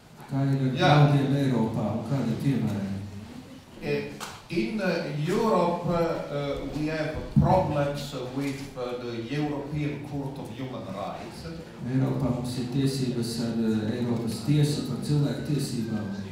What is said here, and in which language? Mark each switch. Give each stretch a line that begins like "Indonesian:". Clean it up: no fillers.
Latvian: Kā ir galdiem Eiropā un kādi piemēri?
English: In Europe we have problems with the European Court of Human Rights.
Latvian: Eiropā mums ir tiesības ar Eiropas tiesu par cilvēku tiesībām.